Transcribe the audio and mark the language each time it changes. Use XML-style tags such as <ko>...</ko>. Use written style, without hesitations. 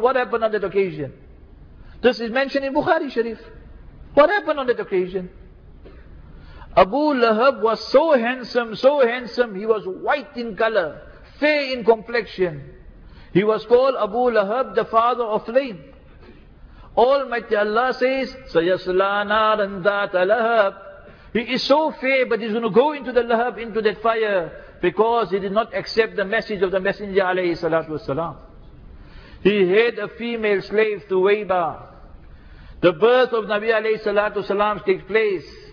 <en>What happened on that occasion? This is mentioned in Bukhari Sharif. What happened on that occasion? Abu Lahab was so handsome, he was white in color, fair in complexion. He was called Abu Lahab, the father of flame. Almighty Allah says,</en> <ar>سَيَسْلَى نَارًا ذَاتَ لَهَبْ.</ar> <en>He is so fair, but he's going to go into the lahab, into that fire, because he did not accept the message of the Messenger alayhi salatu wasalam. He had a female slave, Thuwayba. The birth of Nabi alayhi salatu wasalam takes place.</en>